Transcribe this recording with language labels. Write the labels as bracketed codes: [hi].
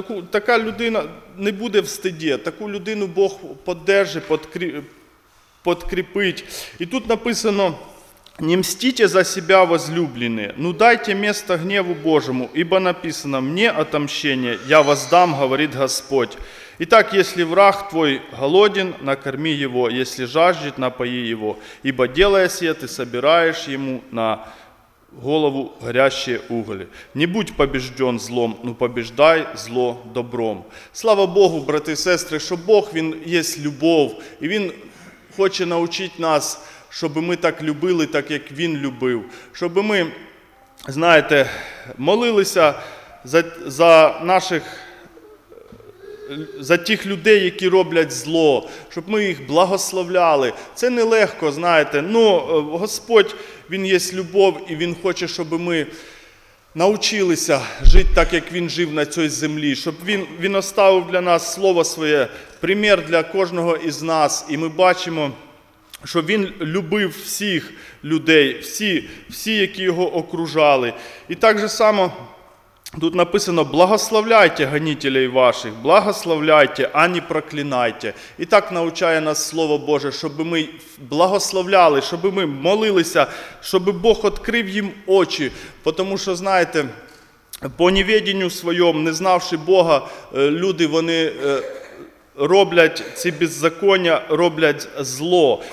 [uk] Така людина не буде в стиді, таку людину Бог підтримує, підкріпить. І тут написано, не мстіть за себе, возлюблені, ну дайте місце гніву Божому, ібо написано, мені отомщення, я воздам, говорить Господь. [ru] Итак, если враг твой голоден, накорми его, если жаждет, напои его, ибо делая сие, ты собираешь ему на голову горящее уголь. Не будь побежден злом, но побеждай зло добром. [uk] Слава Богу, брати і сестри, що Бог, Він є любов, і Він хоче научити нас, щоб ми так любили, так як Він любив. Щоб ми, знаєте, молилися за наших, за тих людей, які роблять зло, щоб ми їх благословляли. Це нелегко, знаєте, але Господь, Він є любов, і Він хоче, щоб ми научилися жити так, як Він жив на цій землі, щоб Він оставив для нас слово своє, примір для кожного із нас, і ми бачимо, що Він любив всіх людей, всі, які Його окружали. І так же само тут написано: благословляйте гонителей ваших, благословляйте, а не проклинайте. І так навчає нас Слово Боже, щоб ми благословляли, щоб ми молилися, щоб Бог відкрив їм очі. Тому що, знаєте, по невідінню своєму, не знавши Бога, люди, вони роблять ці беззаконня, роблять зло.